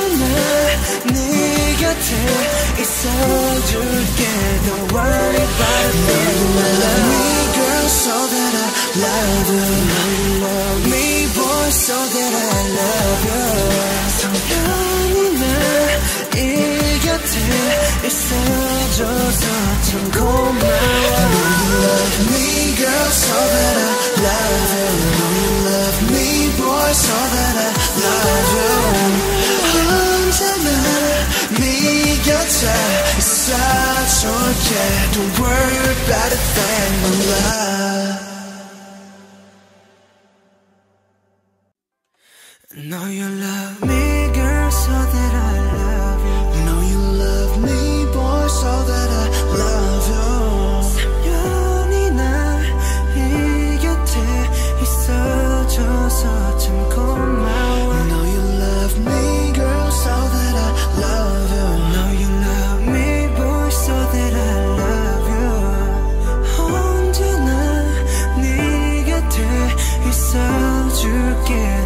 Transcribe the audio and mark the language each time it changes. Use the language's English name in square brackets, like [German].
[English] You love me, girl, so that I love you. You love me, boy, so that I love you. [Korean] 사랑이 내 이 곁에 있어줘서 참 고마워. [English] You love me, girl, so that I love you. So that I love you. [Korean] 언제나 네 곁에 있어줄게. [English] Don't worry about a thing, my love. Know you love me, girl, so that I love you. Know you love me, boy, so that I love you. [Korean] 3년이 나 이 곁에 있어줘서 참 고마워. [English] Know you love me, girl, so that I love you. Know you love me, boy, so that I love you. [Korean] 언제나 네 곁에 있어줄게.